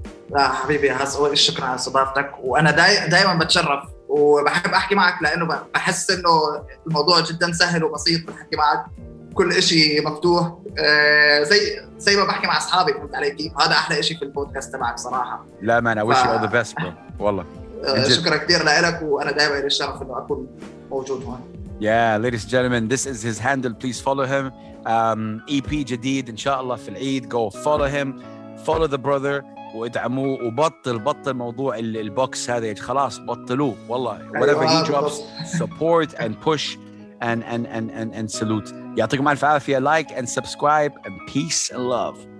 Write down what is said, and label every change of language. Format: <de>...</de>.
<ar>لا حبيبي شكرا على استضافتك وانا دائما بتشرف وبحب احكي معك لانه بحس انه الموضوع جدا سهل وبسيط بحكي معك كل شيء مفتوح زي ما بحكي مع اصحابي فهمت علي كيف هذا احلى شيء في البودكاست تبعك صراحه. لا ما انا</ar> <en>wish you all the best bro</en> <ar>والله شكرا كثير لك وانا دائما الشرف انه اكون موجود هون.</ar> <en>Yeah, ladies and gentlemen, this is his handle. Please follow him.</en> <ar>EP جديد ان شاء الله في العيد.</ar> <en>Go follow him. Follow the brother.</en> <ar>وادعموه وبطل موضوع البوكس هذا خلاص بطلوه والله</ar> <en>whatever he drops support and push and salute.</en> <ar>يعطيكم ألف عافية</ar> <en>like and subscribe and peace and love.</en>